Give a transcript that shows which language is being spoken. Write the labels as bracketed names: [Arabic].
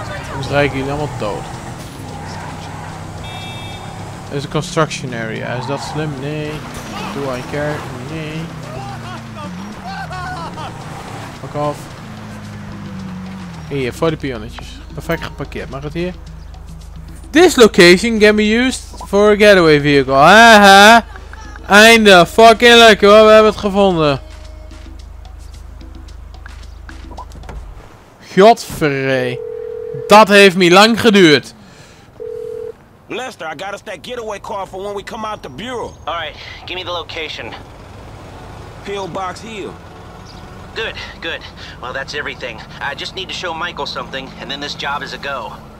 [Dutch] Anders rijken jullie allemaal dood. Is een [English] construction area. [Dutch] Is dat slim? Nee. [English] Do I care? [Dutch] Nee. [English] Fuck off. [Dutch] Hier, voor de pionnetjes. Perfect geparkeerd. Mag het hier? [English] This location can be used for a getaway vehicle. [Dutch] Haha. Einde. Fucking lekker hoor. We hebben het gevonden. Godverdomme. Dat heeft me lang geduurd. [English] Lester, I got us that getaway car for when we come out the bureau. Alright, give me the location. P.O. Box Hill. Good, good. Well, that's everything. I just need to show Michael something and then this job is a go.